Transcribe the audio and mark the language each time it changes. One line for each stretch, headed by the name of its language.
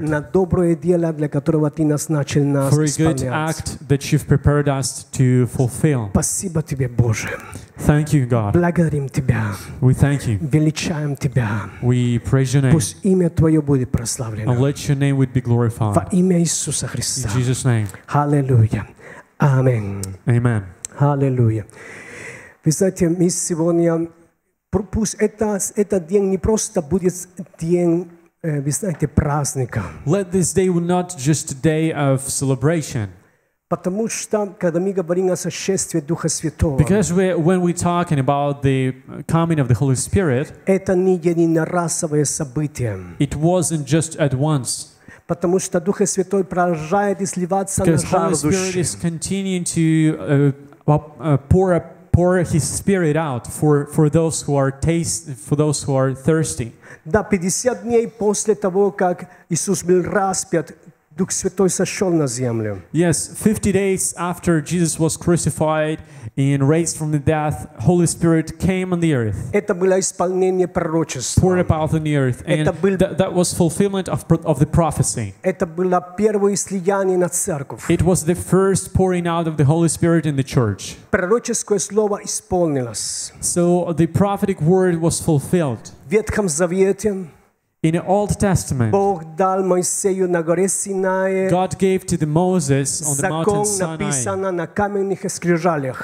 Russian: На доброе дело, для которого Ты нас начал нас исполнять.
English: For a good act that You've prepared us to fulfill.
Russian: Спасибо Тебе, Боже.
English: Thank you, God.
Russian: Благодарим Тебя.
English: We thank You.
Russian: Величаем Тебя.
English: We praise Your name.
Russian: Пусть имя Твое будет прославлено.
English: And let Your name would be glorified.
Russian: Во имя Иисуса Христа.
English: In Jesus' name.
Russian: Аллилуйя. Амин.
English: Amen.
Russian: Аллилуйя. Вы знаете, мы сегодня, пусть этот день не просто будет день, вы знаете, праздника.
English: Let this day not just a day of celebration.
Russian: Потому что, когда мы говорим о сошествии Духа Святого,
English: because when we're talking about the coming of the Holy Spirit,
Russian: это не единоразовое событие.
English: It wasn't just at once.
Russian: потому что Дух Святой продолжает изливаться на жаждущих.
English: Is continuing to pour his spirit out for those who are thirsty.
Russian: Да, 50 дней после того, как Иисус был распят, Дух Святой сошел на землю.
English: Yes, 50 days after Jesus was crucified and raised from the death, Holy Spirit came on the earth.
Russian: Это было исполнение пророчества.
English: Poured about on the earth, and that was fulfillment of the prophecy.
Russian: Это было первое слияние на церковь.
English: It was the first pouring out of the Holy Spirit in the church.
Russian: Пророческое слово исполнилось.
English: So the prophetic word was fulfilled.
Russian: В Ветхом Завете.
English: In the Old Testament,
Russian: Бог дал Моисею на горе Синае.
English: God gave to the Moses on the mountain Sinai.
Russian: Закон написан на каменных скрижалях.